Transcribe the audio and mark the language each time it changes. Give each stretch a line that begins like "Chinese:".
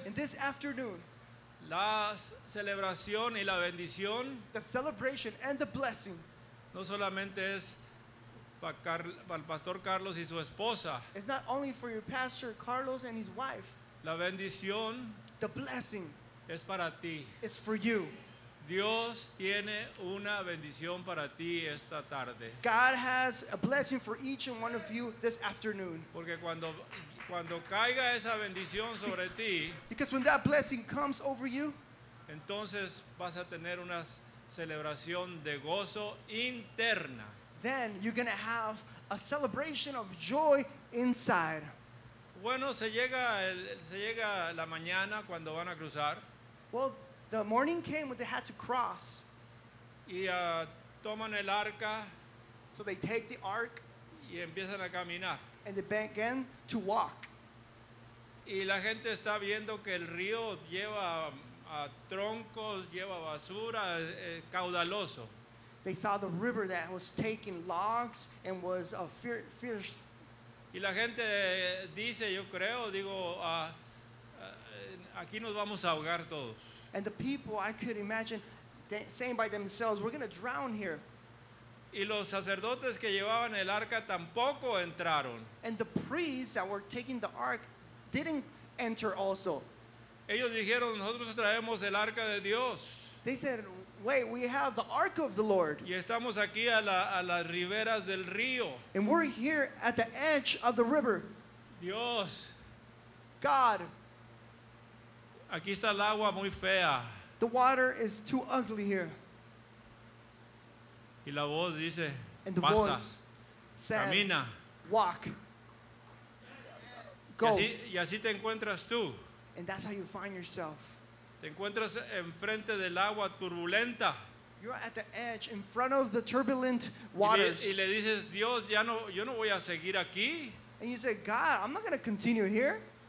English: in this afternoon,
Spanish: la celebración y la bendición,
English: the celebration and the blessing,
Spanish: no solamente es para el pastor Carlos y su esposa.
English: It's not only for your pastor Carlos and his wife.
Spanish: La bendición,
English: the blessing,
Spanish: es para ti.
English: It's for you.
Spanish: Dios tiene una bendición para ti esta tarde.
English: God has a blessing for each and one of you this afternoon.
Spanish: Porque cuando caiga esa bendición sobre ti,
English: because when that blessing comes over you,
Spanish: entonces vas a tener unas celebración de gozo interna.
English: Then you're going to have a celebration of joy inside.
Spanish: Bueno, se llega la mañana cuando van a cruzar.
English: Well, the morning came when they had to cross.
Spanish: Y toman el arca.
English: So they take the ark.
Spanish: Y empiezan a caminar.
English: And they begin to walk.
Spanish: Y la gente está viendo que el río lleva a troncos, lleva basura, caudaloso.
English: They saw the river that was taking logs and was a fierce.
Spanish: Y la gente dice, yo creo, digo, aquí nos vamos a ahogar todos.
English: And the people, I could imagine, saying by themselves, we're going to drown here.
Spanish: Y los sacerdotes que llevaban el arca tampoco entraron.
English: And the priests that were taking the ark didn't enter also.
Spanish: Ellos dijeron, nosotros traemos el arca de Dios.
English: They said, wait, we have the ark of the Lord.
Spanish: Y estamos aquí a las riberas del río.
English: And we're here at the edge of the river.
Spanish: Dios.
English: God.
Spanish: Aquí está el agua muy fea.
English: The water is too ugly here.
Spanish: Y la voz dice,
English: and the
Spanish: pasa,
English: voice said,
Spanish: camina.
English: Walk. Go.
Spanish: Y así te encuentras tú.
English: And that's how you find yourself.
Spanish: Te encuentras enfrente del agua turbulenta.
English: You're at the edge in front of the turbulent waters.
Spanish: Y le dices, Dios, ya no, yo no voy a seguir aquí.
English: And you say, God, I'm not going to continue here.